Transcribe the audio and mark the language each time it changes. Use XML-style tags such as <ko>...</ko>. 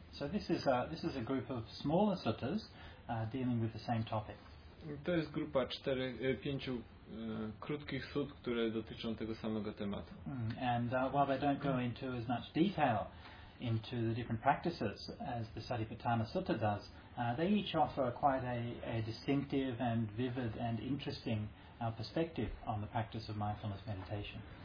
<en>So this is a group of smaller suttas dealing with the same topic.</en> <pl>To jest grupa pięciu krótkich sutt, które dotyczą tego samego tematu.</pl> <en>And while they don't go into as much detail into the different practices as the Satipatthana Sutta does, they each offer quite a distinctive and vivid and interesting perspective on the practice of mindfulness meditation.</en>